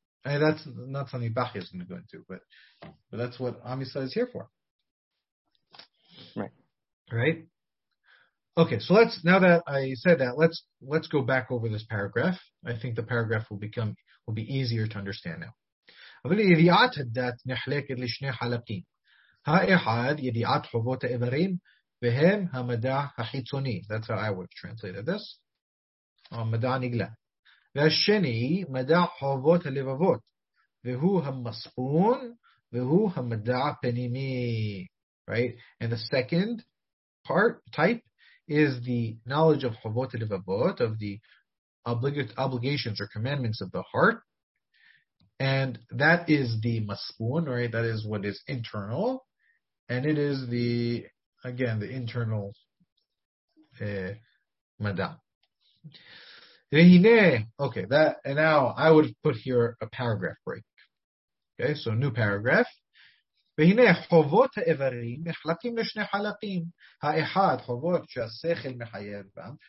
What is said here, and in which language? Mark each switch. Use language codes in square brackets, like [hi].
[en] And that's not something Bachya is going to go into, but that's what Am Yisrael is here for. Right. Right? Okay, so now that I said that, let's go back over this paragraph. I think the paragraph will be easier to understand now. [he] אבל ידיעת הדת נחלקת לשני חלקים. האחד, ידיעת חובות האיברים, והם המדע החיצוני. [en] That's how I would translate this. [he] המדע נגלה. והשני, מדע חובות הלבבות, והוא המספון, והוא המדע הפנימי. [en] Right? And the second part, type, is the knowledge of Chovot HaLevavot, of the obligations or commandments of the heart. And that is the maspun, right? That is what is internal. And it is the, again, the internal mada. Okay, that, and now I would put here a paragraph break. Okay, so new paragraph. [he] והנה חובות האיברים מחלקים לשני חלקים. האחד, חובות שהשכל מחייב בהם.